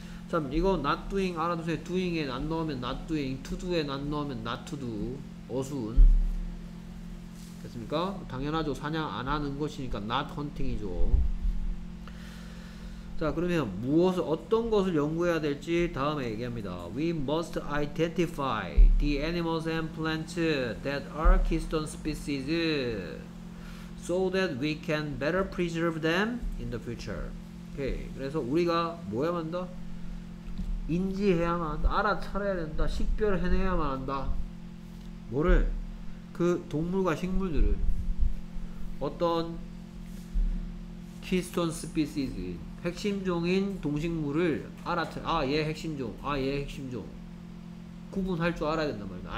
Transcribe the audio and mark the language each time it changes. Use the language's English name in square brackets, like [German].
[Korean] 참 이거 not doing 알아두세요. doing에 not 넣으면 not doing, to do에 not 넣으면 not to do, 어순 됐습니까? 당연하죠. 사냥 안 하는 것이니까 not hunting이죠. 자 그러면 무엇을 어떤 것을 연구해야 될지 다음에 얘기합니다. [English] We must identify the animals and plants that are keystone species so that we can better preserve them in the future. [Korean] 오케이. 그래서 우리가 뭐 해야 한다? 인지해야만 한다. 알아차려야 된다. 식별해내야만 한다. 뭐를? 그 동물과 식물들을 어떤 keystone species 핵심종인 동식물을 알아차려야 아 얘 핵심종 아 얘 핵심종 구분할 줄 알아야 된단 말이야.